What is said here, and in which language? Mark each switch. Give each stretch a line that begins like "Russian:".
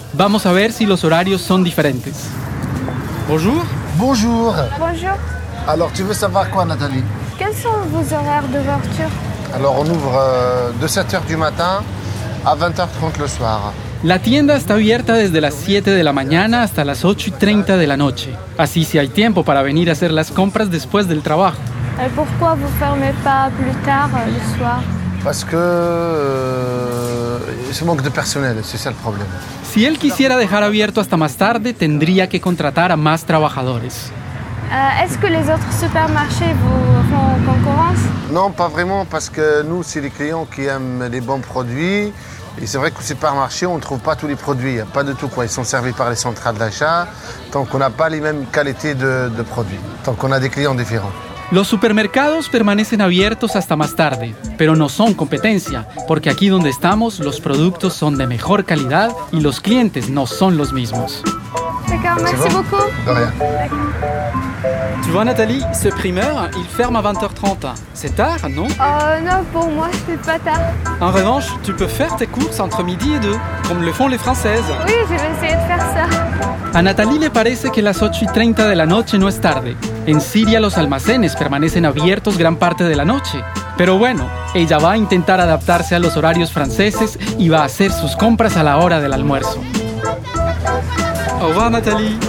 Spanish: Vamos a ver si los horarios son diferentes.
French: Bonjour. Bonjour. Bonjour. Alors, tu veux savoir quoi, Nathalie? Quels sont vos horaires d'ouverture? Alors, on ouvre de 7h du matin à 20h30 le soir.
Spanish: La tienda está abierta desde las 7 de la mañana hasta las 8:30 de la noche. Así, si hay tiempo para venir a hacer las compras después del trabajo.
French: Et pourquoi vous fermez pas plus tard le soir? Parce que se manque de personnel, c'est ça le problème.
Spanish: Si él quisiera dejar abierto hasta más tarde, tendría que contratar a más trabajadores.
French: Est-ce que les autres supermarchés vous font concurrence? Non, pas vraiment, parce que nous, c'est les clients qui aiment les bons produits. Et c'est vrai qu'au supermarché, on ne trouve pas tous les produits, pas de tout quoi. Ils sont servis par les centrales d'achat, tant qu'on n'a pas les mêmes qualités de produits, tant qu'on a des clients différents.
Spanish: Los supermercados permanecen abiertos hasta más tarde, pero no son competencia, porque aquí donde estamos, los productos son de mejor calidad y los clientes no son los mismos.
French: D'accord, merci beaucoup. De rien. Tu vois, Nathalie, ce primeur, il ferme à 20h30. C'est tard, non? Non, pour moi, c'est pas tard. En revanche, tu peux faire tes courses entre midi et deux, comme le font les Françaises. Oui, je vais essayer de faire ça.
Spanish: A Nathalie le parece que las 8:30 de la noche no es tarde. En Siria, los almacenes permanecen abiertos gran parte de la noche. Pero bueno, ella va a intentar adaptarse a los horarios franceses y va a hacer sus compras a la hora del almuerzo.
French: Au revoir, Nathalie.